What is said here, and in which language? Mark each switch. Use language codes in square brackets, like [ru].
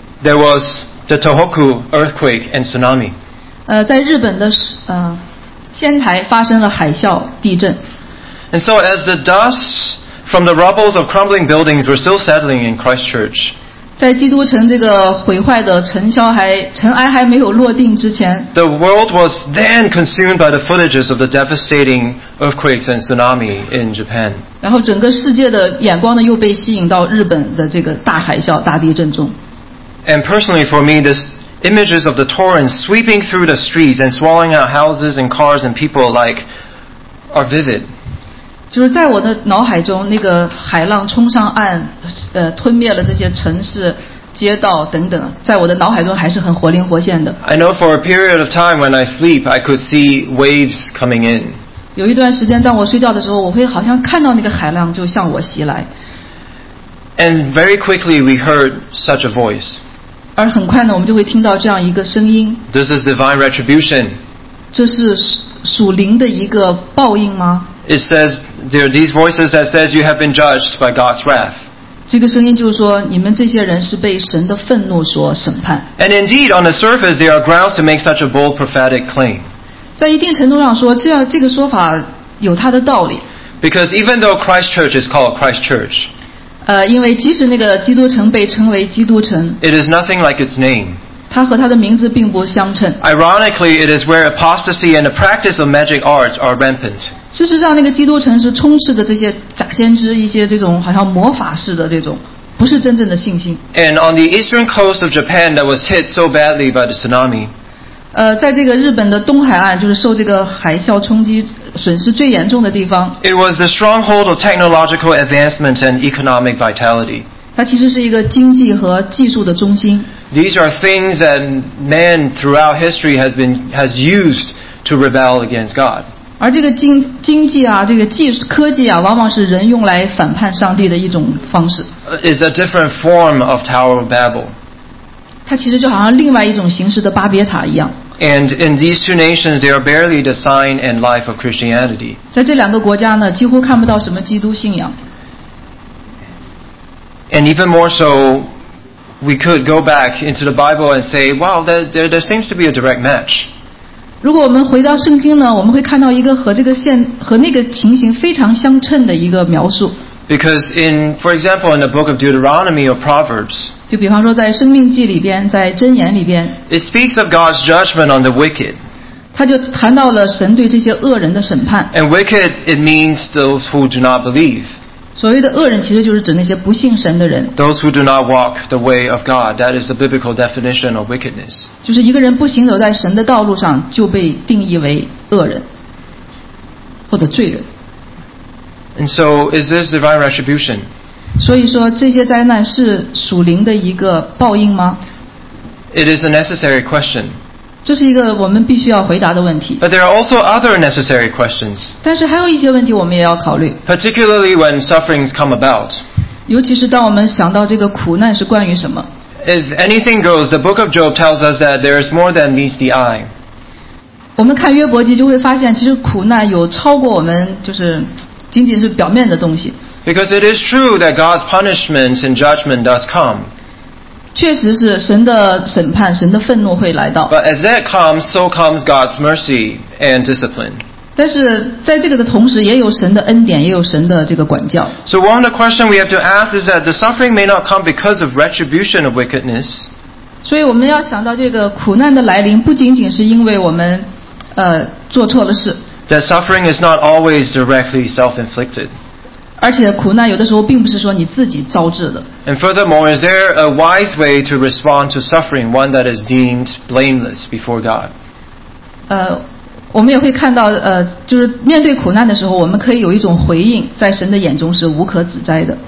[en] There was the Tohoku earthquake and tsunami. [zh] 在日本的仙台发生了海啸地震。 [en] And so as the dust from the rubbles of crumbling buildings were still settling in Christchurch. [zh] 在基督城这个毁坏的尘埃还没有落定之前， [en] The world was then consumed by the footages of the devastating earthquakes and tsunami in Japan. [zh] 然后整个世界的眼光呢又被吸引到日本的这个大海啸大地震中。 [en] And personally for me, the images of the torrents sweeping through the streets and swallowing out houses and cars and people alike are vivid. [zh] 就是在我的脑海中，那个海浪冲上岸，吞灭了这些城市、街道等等，在我的脑海中还是很活灵活现的。 [en] I know for a period of time when I sleep, I could see waves coming in. [zh] 有一段时间，当我睡觉的时候，我会好像看到那个海浪就向我袭来。 [en] And very quickly we heard such a voice. [zh] 而很快呢，我们就会听到这样一个声音。 [en] This is divine retribution. [zh] 这是属灵的一个报应吗？ [en] It says there are these voices that says you have been judged by God's wrath. [zh] 这个声音就是说你们这些人是被神的愤怒所审判。 [en] And indeed, on the surface, there are grounds to make such a bold prophetic claim. [zh] 在一定程度上说，这个说法有它的道理。 [en] Because even though Christchurch is called Christchurch, [zh] 因为即使那个基督城被称为基督城， [en] It is nothing like its name. [zh] 它和它的名字并不相称。 [en] Ironically, it is where apostasy and the practice of magic arts are rampant. [zh] 事实上，那个基督城是充斥着这些假先知，一些这种好像魔法式的这种，不是真正的信心。 [en] And on the eastern coast of Japan that was hit so badly by the tsunami, [zh] 在这个日本的东海岸，就是受这个海啸冲击损失最严重的地方。 [en] It was the stronghold of technological advancement and economic vitality. [zh] 它其实是一个经济和技术的中心。 [en] These are things that man throughout history has used to rebel against God. [zh] 而这个经济啊，这个技术科技啊，往往是人用来反叛上帝的一种方式。 [en] It's a different form of Tower of Babel. [zh] 它其实就好像另外一种形式的巴别塔一样。 [en] And in these two nations, they are barely the sign and life of Christianity. [zh] 在这两个国家呢，几乎看不到什么基督信仰。 [en] And even more so, we could go back into the Bible and say, "Wow, there seems to be a direct match." [zh] 如果我们回到圣经呢，我们会看到一个和那个情形非常相称的一个描述。 [en] Because in, for example, in the book of Deuteronomy or Proverbs, [zh] 就比方说在生命记里边，在箴言里边， [en] it speaks of God's judgment on the wicked. [zh] 他就谈到了神对这些恶人的审判。 [en] And wicked, it means those who do not believe. [zh] 所谓的恶人其实就是指那些不信神的人。 [en] Those who do not walk the way of God, that is the biblical definition of wickedness. [zh] 就是一个人不行走在神的道路上，就被定义为恶人，或者罪人。 [en] And so, is this divine retribution? [zh] 所以说这些灾难是属灵的一个报应吗？ [en] It is a necessary question. [zh] 这是一个我们必须要回答的问题。 [en] But there are also other necessary questions. [zh] 但是还有一些问题我们也要考虑。 [en] Particularly when sufferings come about. [zh] 尤其是当我们想到这个苦难是关于什么。 [en] If anything goes, the book of Job tells us that there is more than meets the eye. [zh] 我们看约伯记就会发现其实苦难有超过我们就是仅仅是表面的东西。 [en] Because it is true that God's punishment and judgment does come. [zh] 确实是神的审判，神的愤怒会来到。 [en] But as that comes, so comes God's mercy and discipline. [zh] 但是在这个的同时，也有神的恩典，也有神的这个管教。 [en] So one of the questions we have to ask is that the suffering may not come because of retribution of wickedness. [zh] 所以我们要想到这个苦难的来临，不仅仅是因为我们，做错了事。 [en] That suffering is not always directly self-inflicted. [zh] 而且苦难有的时候并不是说你自己招致的。 [en] And furthermore, is there a wise way to respond to suffering, one that is deemed blameless before God? [zh] 我们也会看到，就是面对苦难的时候，我们可以有一种回应，在神的眼中是无可指摘的。